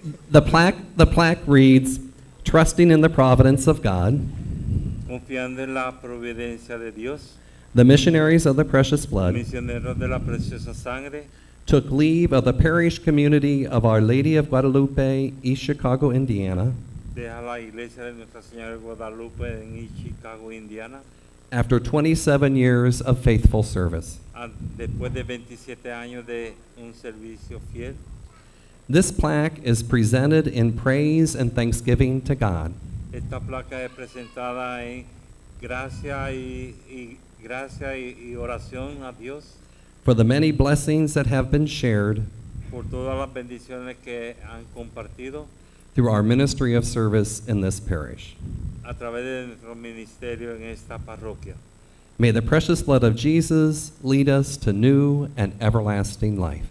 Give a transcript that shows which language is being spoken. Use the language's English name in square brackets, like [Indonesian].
[English] The plaque reads, trusting in the providence of God, [Spanish] confiando en la providencia de Dios, [English] the missionaries of the Precious Blood, [Spanish] misioneros de la preciosa sangre, [English] took leave of the parish community of Our Lady of Guadalupe, East Chicago, Indiana, [Spanish] deja la iglesia de Nuestra Señora de Guadalupe en East Chicago, Indiana, [English] after 27 years of faithful service. [Spanish] Después de 27 años de un servicio fiel, [English] this plaque is presented in praise and thanksgiving to God. [Spanish] Esta placa es presentada en gracia y oración a Dios. [English] For the many blessings that have been shared. [Spanish] Por todas las bendiciones que han compartido. [English] Through our ministry of service in this parish. [Spanish] A través de nuestro ministerio en esta parroquia. [English] May the precious blood of Jesus lead us to new and everlasting life.